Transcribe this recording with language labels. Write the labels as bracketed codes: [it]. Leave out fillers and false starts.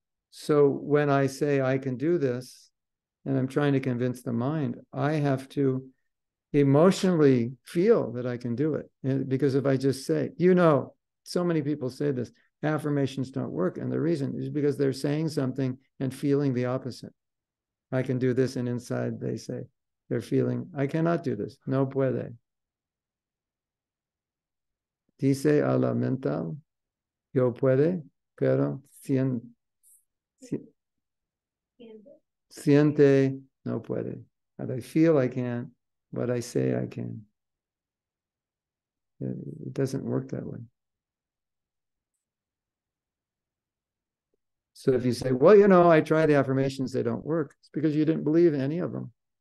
[en] So when I say I can do this, and I'm trying to convince the mind, I have to emotionally feel that I can do it. Because if I just say, you know, so many people say this, affirmations don't work. And the reason is because they're saying something and feeling the opposite. I can do this. And inside they say, they're feeling, I cannot do this. [es] No puede. Dice a la mental, yo puede, pero siente, no puede. [en] And I feel I can, but I say I can. It doesn't work that way. So if you say, well, you know, I try the affirmations, they don't work. It's because you didn't believe any of them.